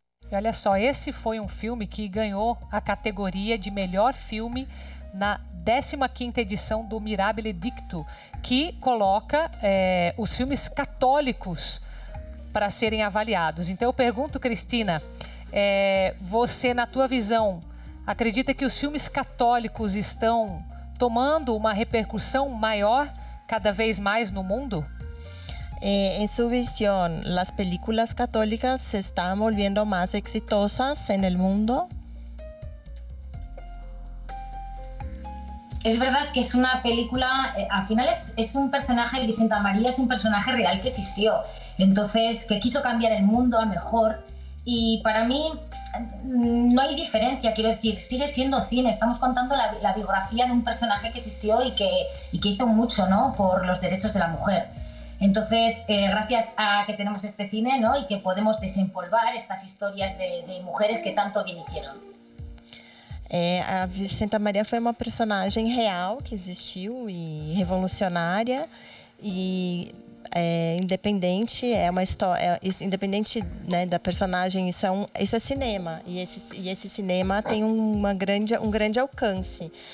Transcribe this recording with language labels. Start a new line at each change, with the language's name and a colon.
Portuguese: E olha só, esse foi um filme que ganhou a categoria de melhor filme na 15ª edição do Mirabile Dictu, que coloca os filmes católicos para serem avaliados. Então eu pergunto, Cristina, você, na tua visão, acredita que os filmes católicos estão tomando uma repercussão maior cada vez mais no mundo?
Spanish: En su visión, las películas católicas se están volviendo más exitosas en el mundo. Es verdad que es una película, al final es un personaje, Vicenta María es un personaje real que existió, entonces que quiso cambiar el mundo a mejor, y para mí no hay diferencia, quiero decir, sigue siendo cine, estamos contando la biografía de un personaje que existió y que hizo mucho, ¿no?, por los derechos de la mujer. Entonces, gracias a que tenemos este cine, ¿no?, y que podemos desempolvar estas historias de mujeres que tanto bien hicieron.
Portuguese: A Vicenta Maria foi uma personagem real que existiu e revolucionária e independente, é uma história, independente, né, da personagem, isso é cinema e esse cinema tem um grande alcance.